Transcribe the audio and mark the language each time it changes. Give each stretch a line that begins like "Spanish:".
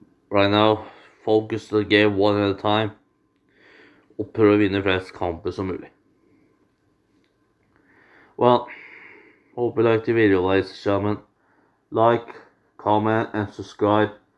English: Right now, focus the game one at a time.
Norwegian: Og prøve å vinne flest kamper som mulig.
English: Well, hope you liked the video, ladies and gentlemen. Like, comment, and subscribe.